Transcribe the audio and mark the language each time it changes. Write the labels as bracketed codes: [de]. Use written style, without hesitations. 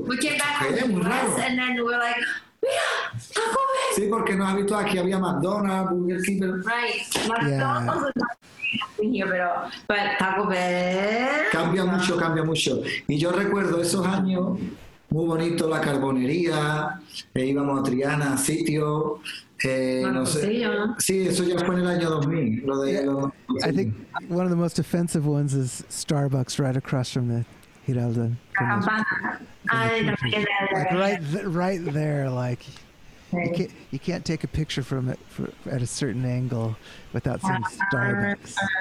[en] We came back to the US, and then we're like, yeah, Taco Bell. [es] Sí, porque no has visto aquí había McDonald's, Burger King. [en] Right, McDonald's. Yeah. But Taco Bell. [es] Cambia mucho. Y yo recuerdo esos años. Muy bonito la carbonería, íbamos a Triana, sitio, no sé. Sí, eso ya fue en el año 2000. [en] I think one of the most offensive ones is Starbucks right across from the Giralda. Right there, like, you can't take a picture from it at a certain angle without seeing Starbucks.